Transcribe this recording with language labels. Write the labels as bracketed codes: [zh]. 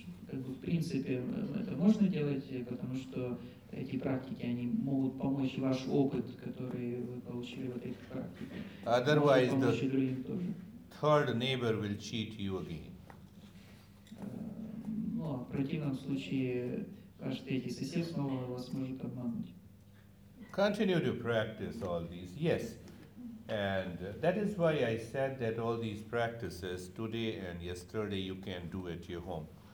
[ru] В принципе, это можно делать, потому что эти практики, они могут помочь ваш опыт, который вы получили в этой практике. [en] Otherwise, the third neighbor will cheat you again. [ru] Ну, в противном случае, каждый третий сосед снова вас может обмануть. [en] Continue to practice all these, yes. And that is why I said that all these practices today and yesterday you can do at your home.